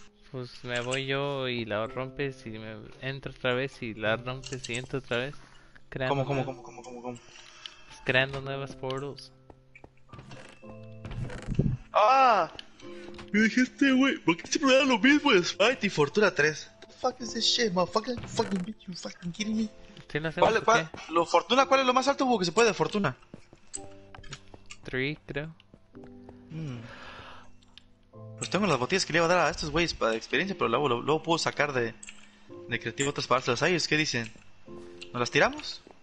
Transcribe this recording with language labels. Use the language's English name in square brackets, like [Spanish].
[Spanish] Pues me voy yo y la rompes y me entro otra vez y la rompes y entro otra vez. Creando ¿Cómo? Pues creando nuevas portals. ¡Ah! Me dijiste, güey. ¿Por qué siempre era lo mismo de Smite y Fortuna 3? [English] What the fuck is this shit, motherfucker? Fucking bitch, you fucking kidding me. [Spanish] ¿Qué lo hacemos? ¿Cuál, lo Fortuna, ¿cuál es lo más alto hubo que se puede de Fortuna? 3, creo. Pues tengo las botellas que le iba a dar a estos güeyes para experiencia, pero luego puedo sacar de creativo otras para dárselas a ellos. ¿Qué dicen? ¿Nos las tiramos?